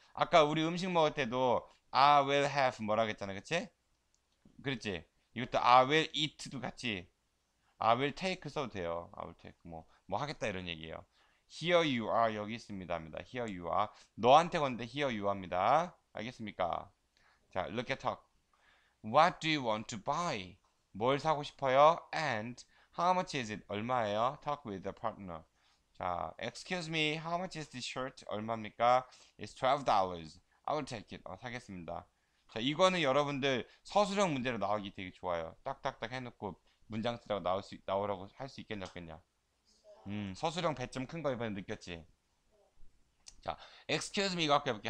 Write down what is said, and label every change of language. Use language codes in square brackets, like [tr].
[ko] 아까 우리 음식 먹을 때도, [en] I will have [ko] 뭐라 그랬잖아, 그치? 그렇지? [en] 이것도 I will eat도 같이, I will take [ko] 써도 돼요. [en] I will take. [ko] 뭐 하겠다 이런 얘기예요. [en] Here you are. [ko] 여기 있습니다. 합니다. [en] Here you are. [ko] 너한테 건데, here you are입니다. 알겠습니까? 자, [en] look at talk. What do you want to buy? [ko] 뭘 사고 싶어요? [en] And how much is it? [ko] 얼마예요? [en] Talk with the partner. 자, excuse me, how much is this shirt? [ko] 얼마입니까? [en] It's $12. I will take it. [ko] 사겠습니다. 자, 이거는 여러분들 서술형 문제로 나오기 되게 좋아요. 딱딱딱 해놓고 문장 쓰라고 나오라고 할수 있겠냐, 없겠냐. 서술형 배점 큰거 이번에 느꼈지? 자, [en] excuse me, [ko] 이거 할게요.